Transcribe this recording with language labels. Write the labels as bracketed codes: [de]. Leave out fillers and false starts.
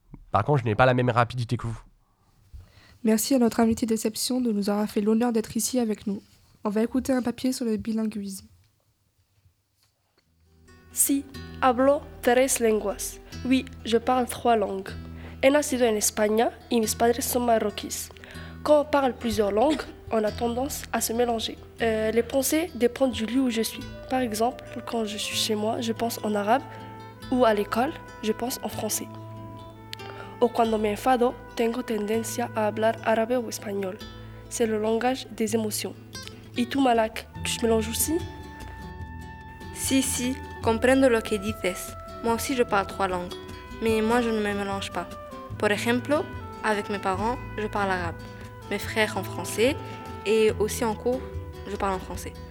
[fr] Par contre, je n'ai pas la même rapidité que vous. Merci à notre invité d'exception de nous avoir fait l'honneur d'être ici avec nous. On va écouter un papier sur le bilinguisme. [es] Si, hablo tres lenguas. [fr] Oui, je parle trois langues. [es] He nacido en España y mis padres son marroquíes. [fr] Quand on parle plusieurs langues, on a tendance à se mélanger. Les pensées dépendent du lieu où je suis. Par exemple, quand je suis chez moi, je pense en arabe, ou à l'école, je pense en français. [es] O cuando me enfado, tengo tendencia a hablar árabe o español. [fr] C'est le langage des émotions. [es] Y tú, [fr] Malak, tu te mélanges aussi? [es] Si, si, comprendo lo que dices. [fr] Moi aussi, je parle trois langues. Mais moi, je ne me mélange pas. [es] Por ejemplo, [fr] avec mes parents, je parle arabe. Mes frères en français et aussi en cours, je parle en français.